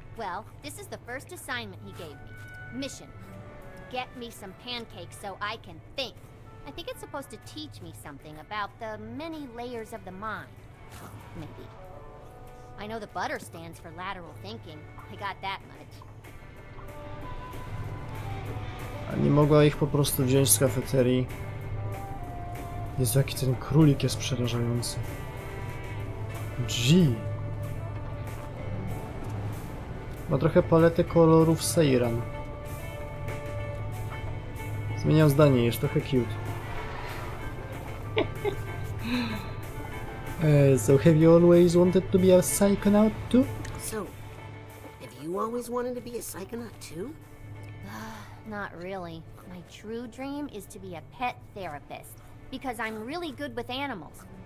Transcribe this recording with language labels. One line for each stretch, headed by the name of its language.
English: Well, this is the first assignment he gave me. Mission. Get me some pancakes so I can think. I think it's supposed to teach me something about the many layers of the mind. Maybe. I know the butter stands for lateral thinking. I got that much.
Polish: A nie mogła ich po prostu wziąć z kafeterii. Jezu, jaki ten królik jest przerażający.
English: Gee.
Polish: Ma trochę paletę kolorów Seiran. Zmieniam zdanie, jest trochę cute.
English: So have you always wanted to be a psychonaut too? So, have you always wanted to be a psychonaut too? Not really. My true dream is to be a pet therapist. Because I'm really good with animals.